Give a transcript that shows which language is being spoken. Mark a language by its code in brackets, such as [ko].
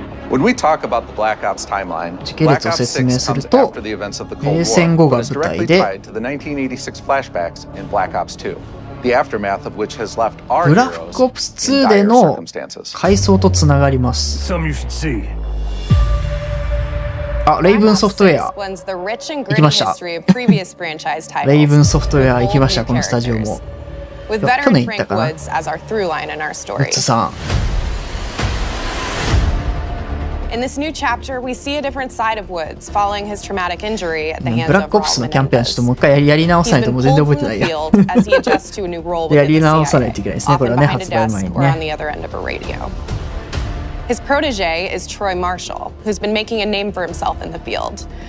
[en] When we talk about the Black Ops timeline, Black Ops 6 comes after the events of the Cold War, and is directly tied to the 1986 flashbacks in Black Ops 2, the aftermath of which has left our heroes in dire circumstances. Some you should see. [ja] あ、レイブンソフトウェア行きました。レイブンソフトウェア行きました、このスタジオも。去年行ったかな。ウッツさん。 [en] In this new chapter, we see a different side of Woods following his traumatic injury at the hands of [ja] Black Ops のキャンペーン、ちょっともう一回やり直さないともう全然覚えてないや。やり直さないといけないですね、これはね、発売前にね。 [en] His protege is Troy Marshall, who's been making a name for himself in the field.